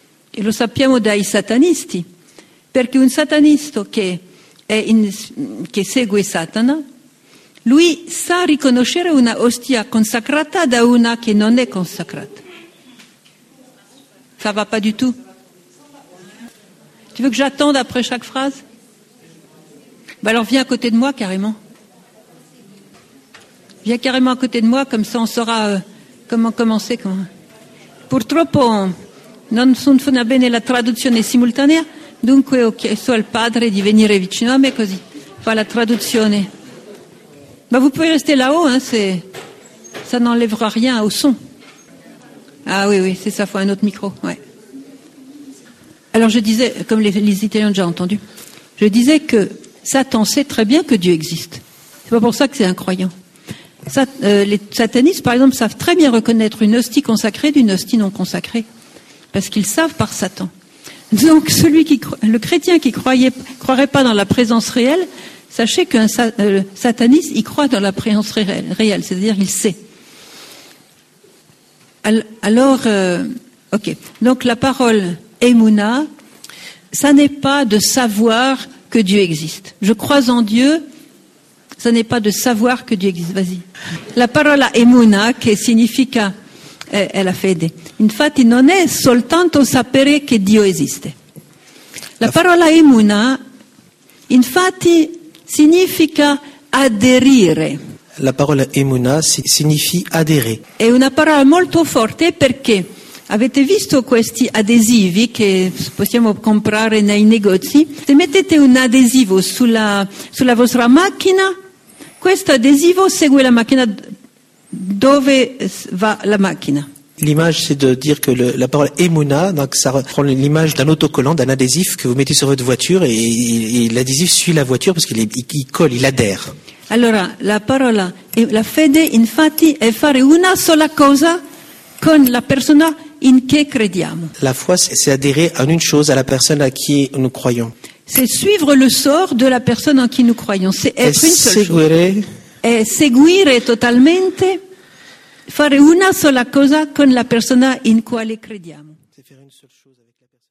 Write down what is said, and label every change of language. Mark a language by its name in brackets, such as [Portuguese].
[Italian] E lo sappiamo dai satanisti, perché un satanista che segue Satana, lui sa riconoscere una ostia consacrata da una che non è consacrata. [French] Ça va pas du tout? Tu veux que j'attende après chaque phrase? Ben alors viens à côté de moi carrément. Viens carrément à côté de moi, comme ça on saura comment commencer. [Italian] Purtroppo non funziona bene la traduzione simultanea, dunque ho chiesto al padre di venire vicino a me così fa la traduzione. [French] Ma vous pouvez rester là-haut, hein, ça n'enlèvera rien au son. Ah oui, c'est ça, faut un autre micro. Ouais. Alors je disais, comme les Italiens ont déjà entendu, je disais que Satan sait très bien que Dieu existe. C'est pas pour ça que c'est un croyant. Les satanistes, par exemple, savent très bien reconnaître une hostie consacrée d'une hostie non consacrée. Parce qu'ils savent par Satan. Donc, le chrétien qui croirait pas dans la présence réelle, sachez qu'un sataniste, il croit dans la présence réelle, c'est-à-dire il sait. Alors, ok. Donc, la parole Emouna, ça n'est pas de savoir que Dieu existe. Je crois en Dieu, ça n'est pas de savoir que Dieu existe. Vas-y. [Italian] La parola Emouna, che significa. È la fede. Infatti non è soltanto sapere che Dio esiste. La parola emuna, infatti, significa aderire. La parola emuna significa aderire. È una parola molto forte perché avete visto questi adesivi che possiamo comprare nei negozi? Se mettete un adesivo sulla vostra macchina, questo adesivo segue la macchina dove va la macchina. [French] L'image, c'est de dire que la parole Emouna, donc ça reprend l'image d'un autocollant, d'un adhésif que vous mettez sur votre voiture et l'adhésif suit la voiture parce qu'il colle, il adhère. Alors, la parole, [Italian] la fede, infatti, è fare una sola cosa con la persona in che crediamo. [French] La foi, c'est adhérer en une chose à la personne à qui nous croyons. C'est suivre le sort de la personne en qui nous croyons. C'est être une seule chose. Et [Italian] seguire totalmente. Fare una sola cosa con la persona in quale crediamo.